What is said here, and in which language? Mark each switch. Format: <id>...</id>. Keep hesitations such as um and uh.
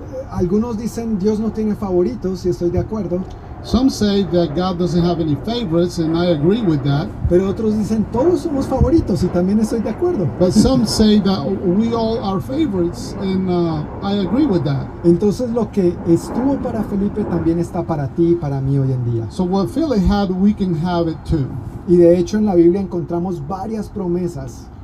<es>Algunos dicen Dios no tiene favoritos, y estoy de acuerdo.</es> <en>Some say that God doesn't have any favorites, and I agree with that.</en> <es>Pero otros dicen todos somos favoritos, y también estoy de acuerdo.</es> <en>But some say that we all are favorites, and uh, I agree with that.</en> <es>Entonces lo que estuvo para Felipe también está para ti y para mí hoy en día.</es> <en>So what Philip had, we can have it too.</en> <es>Y de hecho en la Biblia encontramos varias promesas.</es>